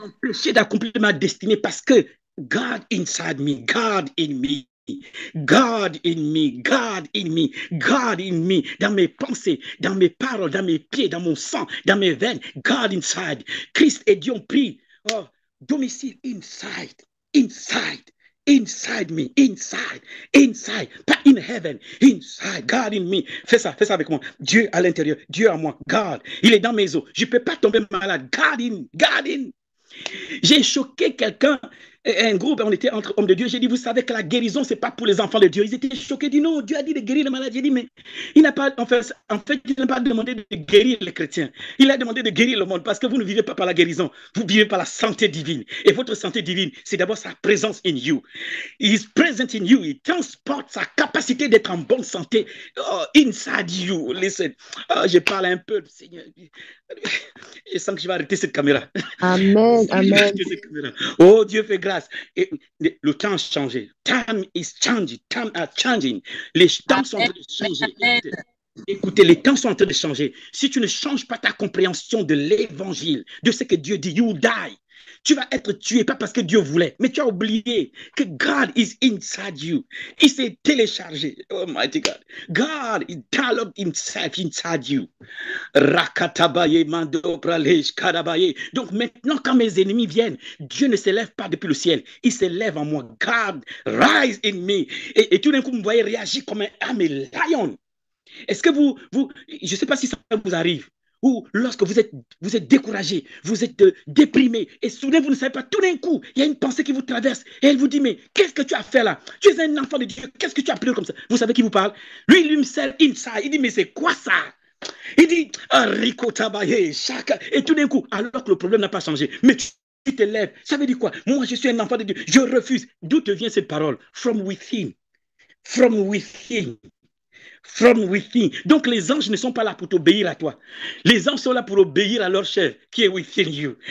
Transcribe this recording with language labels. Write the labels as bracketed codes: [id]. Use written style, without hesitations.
[fr] Empêcher d'accomplir ma destinée parce que [en] God inside me, God in me. God in me, God in me, [fr] God in me, dans mes pensées, dans mes paroles, dans mes pieds, dans mon sang, dans mes veines, [en] God inside. [fr] Christ et Dieu ont pris oh, domicile [en] inside. Inside, inside me, inside, inside, pas in heaven, inside, God in me. [fr] Fais ça avec moi. Dieu à l'intérieur, Dieu à moi, God. Il est dans mes os. Je ne peux pas tomber malade. [en] God in, God in. [fr] J'ai choqué quelqu'un, un groupe, on était entre hommes de Dieu. J'ai dit, vous savez que la guérison, ce n'est pas pour les enfants de Dieu. Ils étaient choqués. Ils ont dit, non, Dieu a dit de guérir les malades. J'ai dit, mais il n'a pas, en fait, il n'a pas demandé de guérir les chrétiens. Il a demandé de guérir le monde parce que vous ne vivez pas par la guérison. Vous vivez par la santé divine. Et votre santé divine, c'est d'abord sa présence [en] in you. He's present in you. [fr] Il transporte sa capacité d'être en bonne santé oh, [en] inside you. Listen, [fr] oh, je parle un peu, Seigneur. Je sens que je vais arrêter cette caméra. Amen, amen. Oh Dieu, fais grâce. Et le temps a changé. [en] Time is changing. Time is changing. [fr] Les temps sont en train de changer. Écoutez, les temps sont en train de changer. Si tu ne changes pas ta compréhension de l'évangile, de ce que Dieu dit, [en] you die. [fr] Tu vas être tué, pas parce que Dieu voulait, mais tu as oublié que [en] God is inside you. [fr] Il s'est téléchargé. [en] Oh, mighty God. God is dialogue himself inside you. Rakatabaye, mando pralej, karabaye. [fr] Donc maintenant, quand mes ennemis viennent, Dieu ne s'élève pas depuis le ciel. Il s'élève en moi. [en] God, rise in me. [fr] Et tout d'un coup, vous voyez réagir comme un lion. Est-ce que vous, je ne sais pas si ça vous arrive. Ou lorsque vous êtes découragé, vous êtes déprimé, et soudain vous ne savez pas, tout d'un coup, il y a une pensée qui vous traverse, et elle vous dit, mais qu'est-ce que tu as fait là? Tu es un enfant de Dieu, qu'est-ce que tu as pris comme ça? Vous savez qui vous parle? Lui, il me sert [en] inside, [fr] il dit, mais c'est quoi ça? Il dit, Rico Tabaye, chacun, et tout d'un coup, alors que le problème n'a pas changé, mais tu te lèves, ça veut dire quoi? Moi, je suis un enfant de Dieu, je refuse. D'où te vient cette parole? [en] From within, from within. From within. [fr] Donc les anges ne sont pas là pour t'obéir à toi. Les anges sont là pour obéir à leur chef qui est [en] within you.